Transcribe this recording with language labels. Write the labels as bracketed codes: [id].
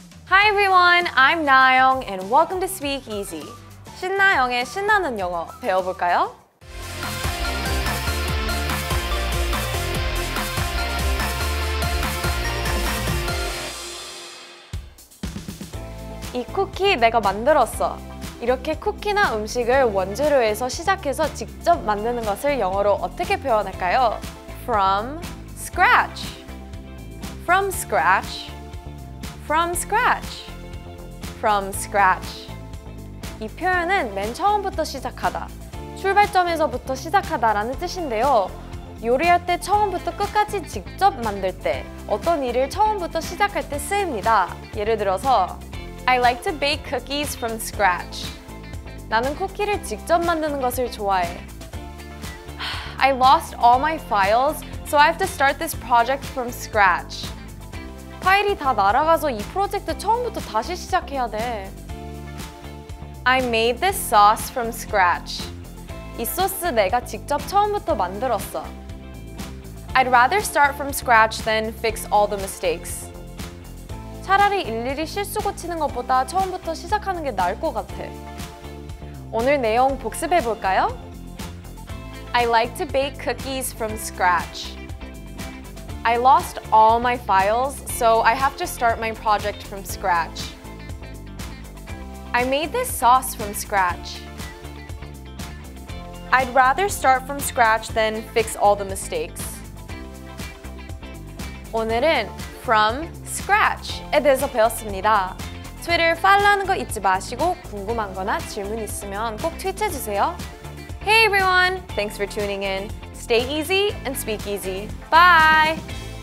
[en] Hi everyone, I'm Nayoung and welcome to Speak Easy. [ko] 신나영의 신나는 영어 배워볼까요? 이 쿠키 내가 만들었어. 이렇게 쿠키나 음식을 원재료에서 시작해서 직접 만드는 것을 영어로 어떻게 표현할까요? [en] From scratch. From scratch. From scratch. From scratch. [ko] 이 표현은 맨 처음부터 시작하다, 출발점에서부터 시작하다라는 뜻인데요. 요리할 때 처음부터 끝까지 직접 만들 때, 어떤 일을 처음부터 시작할 때 쓰입니다. 예를 들어서 [en] I like to bake cookies from scratch. [ko] 나는 쿠키를 직접 만드는 것을 좋아해. [en] I lost all my files, so I have to start this project from scratch. [ko] 파일이 다 날아가서 이 프로젝트 처음부터 다시 시작해야 돼. [en] I made this sauce from scratch. [ko] 이 소스 내가 직접 처음부터 만들었어. [en] I'd rather start from scratch than fix all the mistakes. [ko] 차라리 일일이 실수 고치는 것보다 처음부터 시작하는 게 나을 것 같아. 오늘 내용 복습해 볼까요? [en] I like to bake cookies from scratch. I lost all my files, so I have to start my project from scratch. I made this sauce from scratch. I'd rather start from scratch than fix all the mistakes. [ko] 오늘은 From Scratch에 대해서 배웠습니다. 트위터 팔로우하는 거 잊지 마시고 궁금한 거나 질문 있으면 꼭 트윗해 주세요. [en] Hey everyone! Thanks for tuning in. Stay easy and speak easy. Bye!